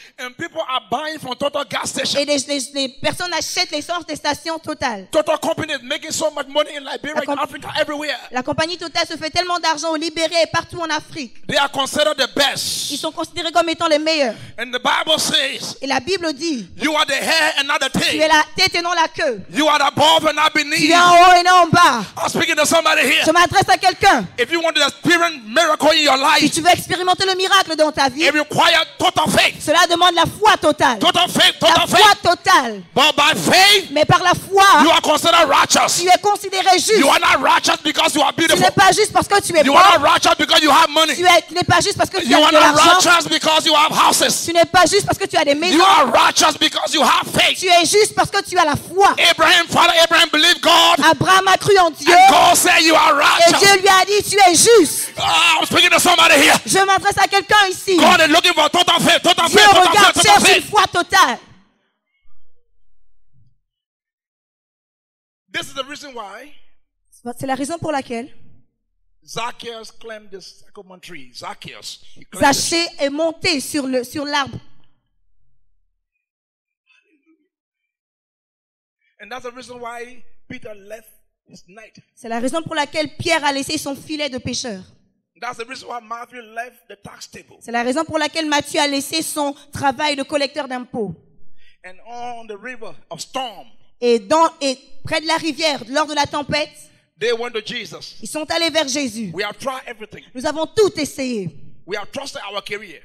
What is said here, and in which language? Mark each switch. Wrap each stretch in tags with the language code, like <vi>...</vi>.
<en>And people are buying from Total gas station.</en> <fr>Et les personnes achètent l'essence des stations totales.</fr> <en>Total company is making so much money in Liberia, in Africa, everywhere.</en> <fr>La compagnie Total se fait tellement d'argent au Libéria et partout en Afrique.</fr> <en>They are considered the best.</en> <fr>Ils sont considérés comme étant les meilleurs.</fr> <en>And the Bible says,</en> <fr>et la Bible dit,</fr> <en>you are the head and not the tail.</en> <fr>Tu es la tête et non la queue.</fr> <en>You are above and not beneath.</en> <fr>Tu es en haut et non en bas.</fr> <en>I'm speaking to somebody here.</en> <fr>Je m'adresse à quelqu'un.</fr> <en>If you want to experience miracle in your life,</en> <fr>si tu veux expérimenter le miracle dans ta vie,</fr> <en>it requires total faith.</en> <fr>Cela demande la foi totale.</fr> <en>Total faith, total</en> <fr>la foi</fr> <en>faith.</en> <fr>Totale.</fr> <en>But by faith,</en> <fr>mais par la foi,</fr> <en>you are considered righteous.</en> <fr>Tu es considéré juste.</fr> <en>You are not righteous because you are beautiful.</en> <fr>Tu n'es pas juste parce que tu es beau.</fr> <en>You are not righteous because you have money.</en> <fr>Tu n'es pas juste parce que tu</fr> <en>you</en> <fr>as de l'argent.</fr> <en>You are not righteous because you have houses.</en> <fr>Tu n'es pas juste parce que tu as des maisons.</fr> <en>You are righteous because you have faith.</en> <fr>Tu es juste parce que tu as la foi.</fr> <en>Abraham, Father Abraham believed God.</en> <fr>Abraham a cru en Dieu.</fr> <en>And God said you are righteous.</en> <fr>Et Dieu lui a dit tu es juste.</fr> <en>Oh, I'm speaking to somebody here.</en> <fr>Je m'adresse à quelqu'un ici.</fr> <en>God is looking for total faith, total</en> <fr>Dieu</fr> <en>faith.</en> <fr>Regarde, cherche une foi totale.</fr> <en>This is the reason why.</en> <fr>C'est la raison pour laquelle.</fr> <en>Zacchaeus climbed the sycamore tree. Zacchaeus.</en> <fr>Zacchée est monté sur l'arbre.</fr> <en>And that's the reason why Peter left his net.</en> <fr>C'est la raison pour laquelle Pierre a laissé son filet de pêcheur.</fr> <en>That's the reason why Matthew left the tax table.</en> <fr>C'est la raison pour laquelle Matthieu a laissé son travail de collecteur d'impôts.</fr> <en>And on the river of storm.</en> <fr>Et près de la rivière, lors de la tempête.</fr> <en>They went to Jesus.</en> <fr>Ils sont allés vers Jésus.</fr> <en>We have tried everything.</en> <fr>Nous avons tout essayé.</fr> <en>We have trusted our career.</en>